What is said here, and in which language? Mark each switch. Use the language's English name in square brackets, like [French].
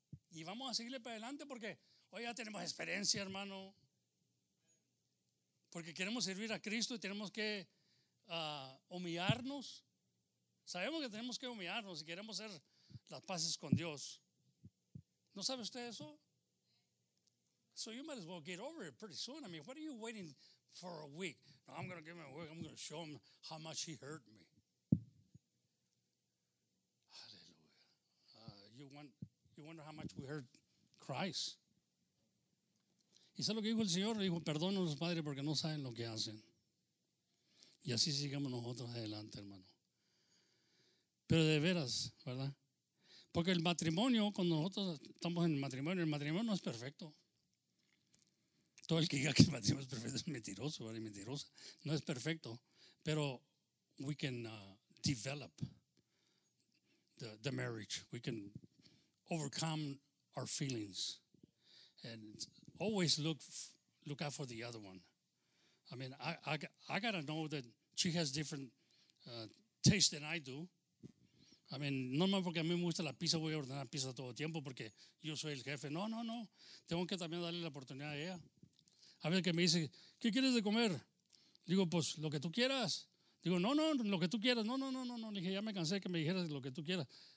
[Spanish] Y vamos a seguirle para adelante porque hoy ya tenemos experiencia, hermano. Porque queremos servir a Cristo y tenemos que humillarnos. Sabemos que tenemos que humillarnos y queremos hacer las paces con Dios. ¿No sabe usted eso? [English] So you might as well get over it pretty soon. I mean, what are you waiting for a week? No, I'm going to give him a week. I'm going to show him how much he hurt me. Hallelujah. You wonder how much we hurt Christ. [Spanish] Y sabe lo que dijo el Señor, dijo, perdónenos, Padre, porque no saben lo que hacen. Y así sigamos nosotros adelante, hermano. Pero de veras, ¿verdad? Porque el matrimonio, cuando nosotros estamos en el matrimonio no es perfecto. Todo el que diga que el matrimonio es perfecto es mentiroso, ¿verdad? Y mentirosa. No es perfecto, pero [English] we can develop the marriage. We can overcome our feelings. And always look out for the other one. I mean, I gotta know that she has different taste than I do. I mean, [Spanish] no más porque a mí me gusta la pizza, voy a ordenar pizza todo el tiempo porque yo soy el jefe. No. Tengo que también darle la oportunidad a ella. A ver que me dice, ¿qué quieres de comer? Digo, pues, lo que tú quieras. Digo, no, lo que tú quieras. No. Le dije, ya me cansé que me dijeras lo que tú quieras.